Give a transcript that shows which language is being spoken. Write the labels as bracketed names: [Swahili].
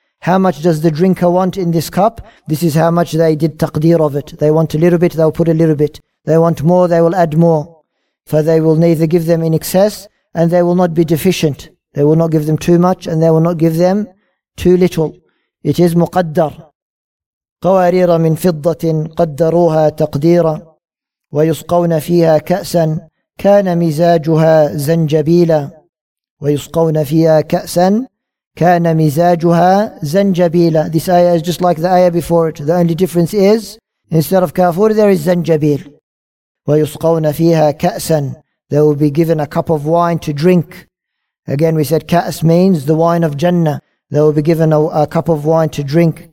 [English] How much does the drinker want in this cup? This is how much they did taqdeer of it. They want a little bit, they'll put a little bit. They want more, they will add more. For they will neither give them in excess, and they will not be deficient. They will not give them too much, and they will not give them too little. It is muqaddar. [Arabic] قوارير من فضة قدروها تقديرا ويسقون فيها كأسا كان مزاجها زنجبيلا ويسقون فيها كأسا كان مزاجها زنجبيلا. [English] This ayah is just like the ayah before it. The only difference is, instead of kafur, there is zanjabil. [Arabic] ويسقون فيها كأسا. [English] They will be given a cup of wine to drink. Again, we said كأس means the wine of Jannah. They will be given a cup of wine to drink.